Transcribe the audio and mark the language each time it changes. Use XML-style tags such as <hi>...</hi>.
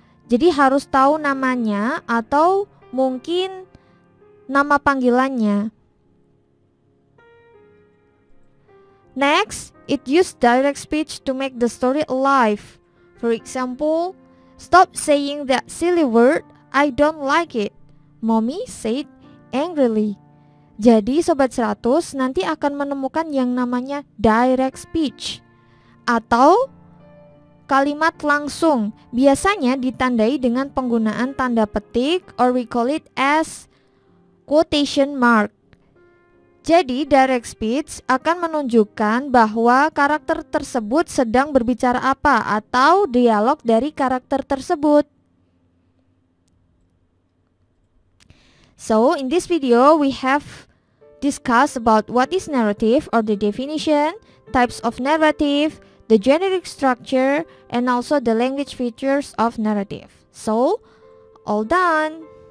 <id>Jadi harus tahu namanya atau mungkin nama panggilannya.</id> <en>Next, it use direct speech to make the story alive. For example, stop saying that silly word, I don't like it. Mommy said angrily.</en> <id>Jadi Sobat 100 nanti akan menemukan yang namanya direct speech atau kalimat langsung, biasanya ditandai dengan penggunaan tanda petik,</id> <en>or we call it as quotation mark.</en> <id>Jadi direct speech akan menunjukkan bahwa karakter tersebut sedang berbicara apa, atau dialog dari karakter tersebut.</id> <en>So in this video we have discussed about what is narrative, or the definition, types of narrative, the generic structure, and also the language features of narrative. So, all done.</en>